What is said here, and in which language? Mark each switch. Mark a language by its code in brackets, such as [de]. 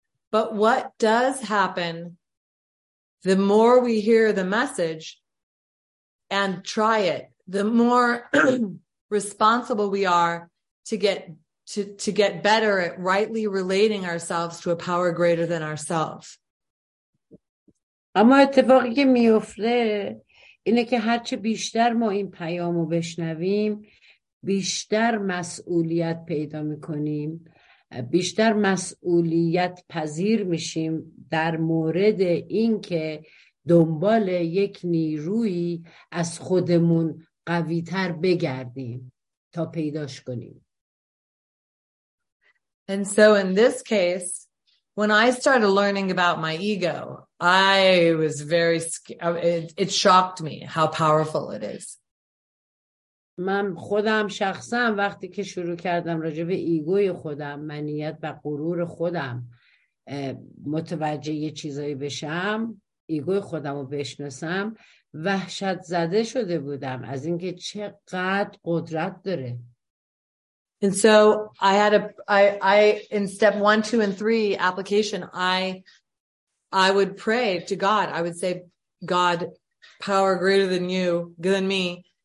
[en] But what does happen the more we hear the message and try it, the more responsible we are to get better at rightly relating ourselves to a power greater than ourselves. [fa] اما اتفاقی که میفته اینه که هرچه بیشتر ما این پیامو بشنویم بیشتر مسئولیت پیدا میکنیم، بیشتر مسئولیت پذیر میشیم در مورد این که دنبال یک نیروی از خودمون قوی تر بگردیم تا پیداش کنیم. [en] And so in this case, when I started learning about my ego, I was very scared. It shocked me how powerful it is. [fa] من خودم شخصا وقتی که شروع کردم راجع به ایگوی خودم، منیت و غرور خودم متوجه یه چیزایی بشم، ایگوی خودم رو بشناسم، وحشت زده شده بودم از اینکه چقدر قدرت داره. [en] And so I had I in step 1, 2 and 3 application I would pray to God. I would say, God, power greater than you, greater than me.